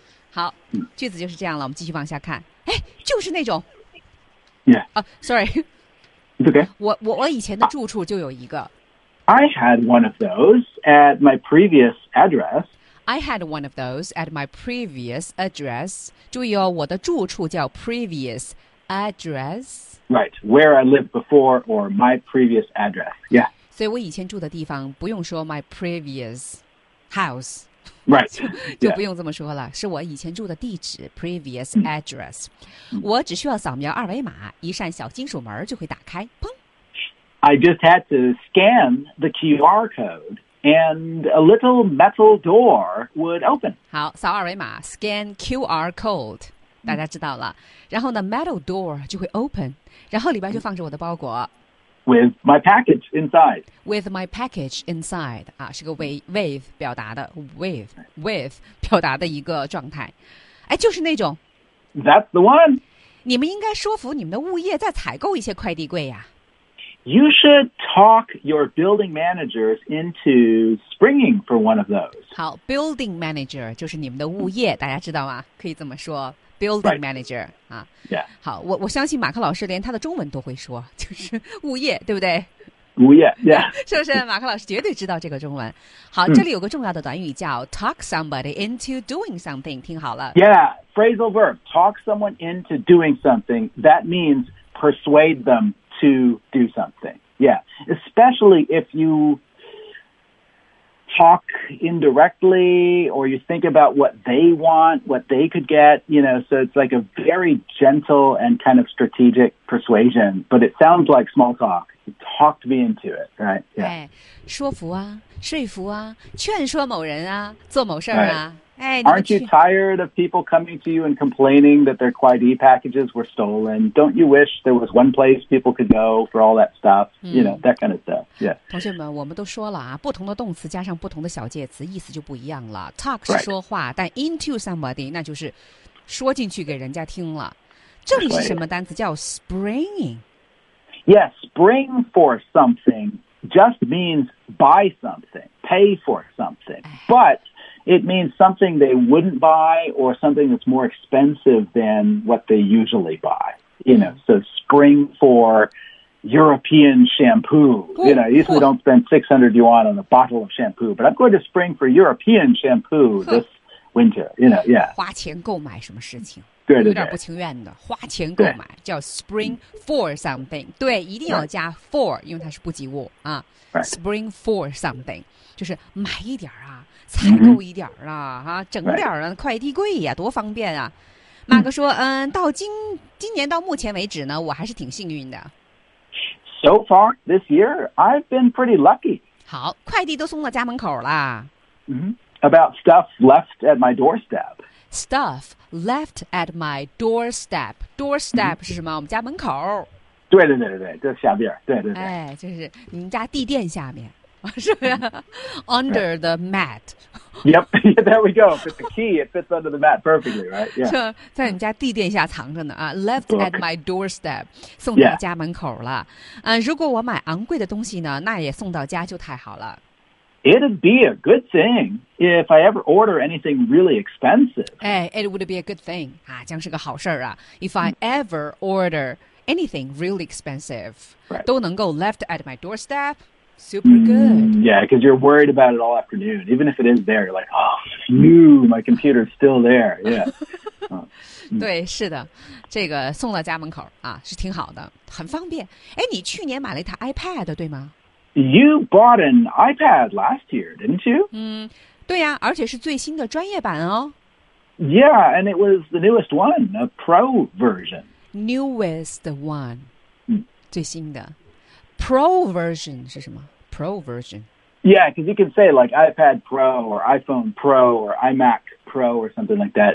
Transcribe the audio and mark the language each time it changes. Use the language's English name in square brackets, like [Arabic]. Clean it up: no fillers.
[Chinese] 好、句子就是这样了，我们继续往下看。哎，就是那种。 [English] Yeah. Sorry. It's okay. [Chinese] 我以前的住处就有一个。 [English] I had one of those at my previous address. I had one of those at my previous address. [Chinese] 注意哦，我的住处叫 previous address. [English] Right, where I lived before or my previous address. Yeah. [Chinese] 所以我以前住的地方不用说 [English] my previous house. Right. [Chinese] 就不用这么说了，是我以前住的地址 previous address. 我只需要扫描二维码，一扇小金属门就会打开，砰。 [English] I just had to scan the QR code. And a little metal door would open. [Chinese] 好，扫二维码 , [English] scan QR code, [Chinese] 大家知道了。然后呢 ,metal door 就会 open, 然后里边就放着我的包裹。 [English] With my package inside. With my package inside, [Chinese] 啊，是个 with 表达的 ,with 表达的一个状态。哎，就是那种。 [English] That's the one. [Chinese] 你们应该说服你们的物业再采购一些快递柜呀。 [English] You should talk your building managers into springing for one of those. [Chinese] 好 ,building manager 就是你们的物业大家知道吗可以这么说 ,building manager.、 [English] Right. 啊 yeah. [Chinese] 好 我相信马克老师连他的中文都会说就是物业对不对物业 yeah. 是不是马克老师绝对知道这个中文。好这里有个重要的短语叫 [English] talk somebody into doing something, [Chinese] 听好了。 [English] Yeah, phrasal verb, talk someone into doing something, that means persuade them. To do something, yeah. Especially if you talk indirectly or you think about what they want, what they could get, you know, so it's like a very gentle and kind of strategic persuasion, but it sounds like small talk. You talked me into it, right? Yeah. [Chinese] 哎，说服啊，说服啊，劝说某人啊，做某事啊。 [English] Right. 哎、 Aren't you tired of people coming to you and complaining that their Quaidi packages were stolen? Don't you wish there was one place people could go for all that stuff?、You know, that kind of stuff. Yeah. [Chinese] 同学们，我们都说了啊，不同的动词加上不同的小介词，意思就不一样了。 Talk 是说话、 [English] right. [Chinese] 但 [English] into somebody, [Chinese] 那就是说进去给人家听了。这里是什么单词叫 springing? [English] Yes, spring for something just means buy something, pay for something. But it means something they wouldn't buy or something that's more expensive than what they usually buy. You know, so spring for European shampoo. You know, I usually don't spend 600 yuan on a bottle of shampoo, but I'm going to spring for European shampoo this winter. You know, yeah. [Chinese] 花钱购买什么事情？对对对，有点不情愿的，花钱购买叫 [English] spring for something。 [Chinese] 对，一定要加 for， 因为它是不及物啊。 [English] Spring for something， [Chinese] 就是买一点啊，采购一点啊，哈，整点啊，快递柜呀，多方便啊。马哥说，嗯，到今年到目前为止呢，我还是挺幸运的。 [English] So far this year, I've been pretty lucky. [Chinese] 好，快递都送到家门口了。 [English] About stuff left at my doorstep. Stuff left at my doorstep. Doorstep [Chinese] 是什么？我们家门口。对对对对对，就下边。对对对。哎，就是你们家地垫下面，是不是？ [English] Under the mat. Yep, there we go. It's the key. It fits under the mat perfectly, right? Yeah. [Chinese] 在你家地垫下藏着呢啊。 [English] Left at my doorstep， [Chinese] 送到家门口了。 [English] Yeah. [Chinese] 如果我买昂贵的东西呢，那也送到家就太好了。 [English] It'd be a good thing if I ever order anything really expensive. Hey, it would be a good thing. [Chinese] 啊，将是个好事儿啊。 [English] If I ever order anything really expensive,、 right. [Chinese] 都能够 [English] left at my doorstep, super good. Yeah, because you're worried about it all afternoon. Even if it is there, you're like, oh, phew, my computer's still there. Yeah. [Chinese] 对，是的，这个送到家门口啊，是挺好的，很方便。哎，你去年买了一台 iPad, 对吗？ [English] You bought an iPad last year, didn't you? [Chinese] 对呀、啊，而且是最新的专业版哦。 [English] Yeah, and it was the newest one, a Pro version. Newest one,、 [Chinese] 最新的 [English] Pro version [Chinese] 是什么 [English] ？Pro version. Yeah, because you can say like iPad Pro or iPhone Pro or iMac Pro or something like that.